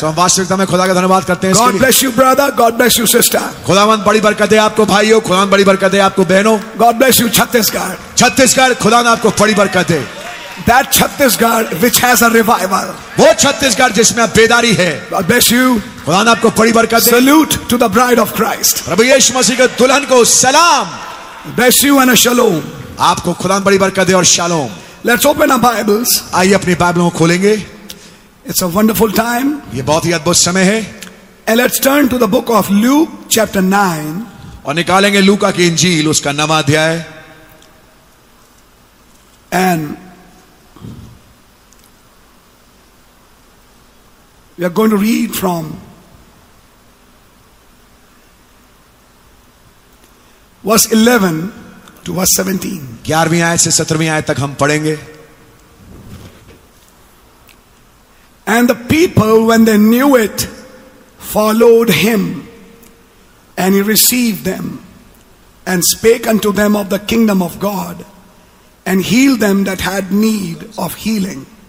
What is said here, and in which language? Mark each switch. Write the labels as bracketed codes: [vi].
[hi] तो हम वास्तविकता में खुदा का धन्यवाद करते हैं. [en] God bless you, brother. God bless you, sister. [hi] खुदावंद बड़ी बरकत दे आपको भाइयों. खुदावंद बड़ी बरकत दे आपको बहनों. [en] God bless you, Chhattisgarh. [hi] Chhattisgarh, खुदावंद आपको बड़ी बरकत दे. [en] That Chhattisgarh which has a revival. [hi] वो छत्तीसगढ़ जिसमें बेदारी है. [en] God bless you. [hi] खुदा ने आपको बड़ी बरकत दे. [en] Salute to the bride of Christ. [hi] प्रभु यीशु मसीह के दुल्हन को सलाम. [en] Bless you and a shalom. [hi] आपको खुदा ने बड़ी बरकत दे और shalom. [en] Let's open our Bibles. [hi] आइए अपनी बाइबलों को खोलेंगे. [en] It's a wonderful time. [hi] ये बहुत ही अद्भुत समय है. [en] And let's turn to the book of Luke chapter 9. [hi] और निकालेंगे लूका की इंजील उसका नवा अध्याय. [en] And we are going to read from verse 11 to verse 17. [hi] 11वीं आयत से 17वीं आयत तक हम पढ़ेंगे. [en] And the people, when they knew it, followed him, and he received them, and spake unto them of the kingdom of God, and healed them that had need of healing.